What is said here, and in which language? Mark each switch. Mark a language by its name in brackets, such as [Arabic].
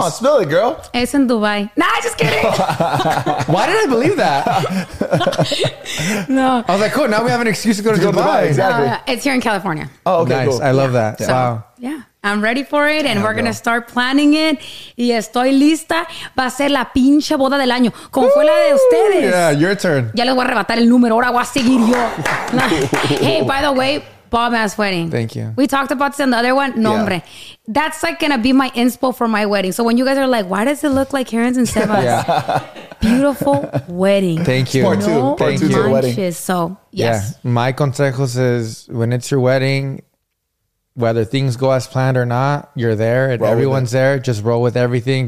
[English] Come on, spill it, girl. It's in Dubai. Nah, just kidding. Why did I believe that? No. I was like, cool. Now we have an excuse to go to Dubai. Exactly. It's here in California. Oh, okay. Nice. Cool. I love that. Yeah. Wow. So, yeah. I'm ready for it and we're going to start planning it. [Spanish] Y estoy lista. Va a ser la pinche boda del año. Como fue la de ustedes. [English] Yeah, your turn. [Spanish] Ya les voy a arrebatar el número. Ahora voy a seguir yo. [English] Hey, by the way. Bomb ass wedding. Thank you. We talked about this in the other one. Nombre. Yeah. That's like going to be my inspo for my wedding. So when you guys are like, why does it look like Karen's and Seba's? Yeah. Beautiful wedding. Thank you. Part two. No part two To the wedding. So, yes. Yeah. My consejos is when it's your wedding, whether things go as planned or not, you're there and everyone's there. Just roll with everything.